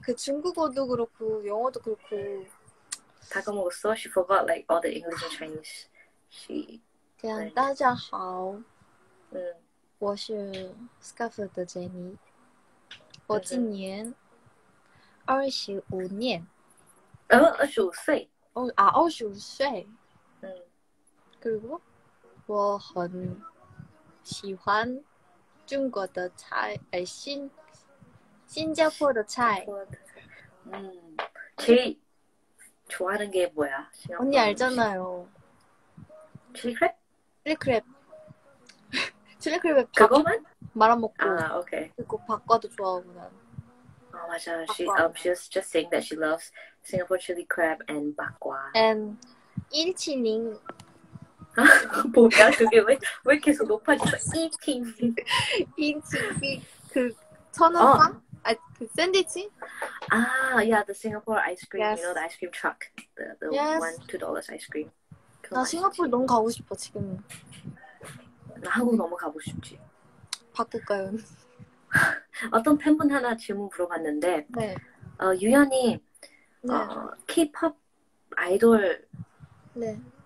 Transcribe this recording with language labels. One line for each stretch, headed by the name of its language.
Korean: 그 중국어도 그렇고 영어도 그렇고. 다 까먹었어? She forgot like all the English and Chinese. She. 그냥
Chinese: 大家好. 我是 Scarford Jenny. 我今年25年. 25岁
Korean: 그리고
Chinese: 我很喜欢
Korean: 중국의
Chinese: 菜 新加坡的菜
Korean: 제일 좋아하는 게 뭐야? 언니 알잖아요 칠리크랩? 그거만? 말아먹고
English: 아, okay.
Korean: 그리고 박과도 좋아하고 난 Oh, 맞아.
English: She was just saying that she loves Singapore chili crab and bakwa. And 일치닝.
Korean: 뭐야 그게 왜 계속 높아지고? 일치닝. 일치닝 그 천호빵? 아 그 샌드위치?
English: 아, yeah, the Singapore ice cream. Yes. You know the ice cream truck, the yes. $1-$2 ice cream.
Korean: 나 싱가포르 너무 가고 싶어 지금. 나 한국 너무 가고 싶지. 바꿀까요? 어떤 팬분 하나 질문 물어봤는데 네. 유연이 네. K-pop 아이돌 네.